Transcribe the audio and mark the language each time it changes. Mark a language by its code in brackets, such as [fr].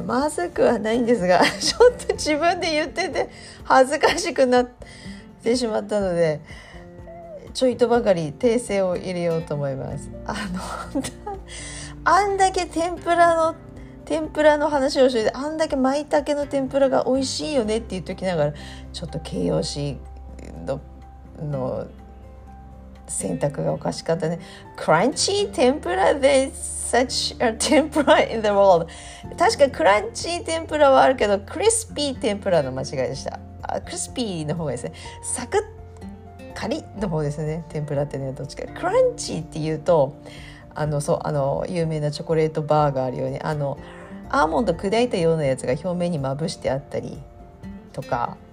[ja] まずくはないんですが、ちょっと自分で言ってて恥ずかしくなってしまったので、ちょいとばかり訂正を入れようと思います。あの、あんだけ天ぷらの話をして、あんだけ舞茸の天ぷらが美味しいよねって言っておきながら、ちょっと形容詞の選択がおかしかったね。 [en] Crunchy tempura, there's such a tempura in the world. [ja] 確かクランチー天ぷらはあるけど、クリスピー天ぷらの間違いでした。あ、クリスピーの方がですね、サクッカリッの方ですね、天ぷらってね。どっちか、クランチーっていうと、あの、そう、あの有名なチョコレートバーがあるように、あのアーモンド砕いたようなやつが表面にまぶしてあったりとか。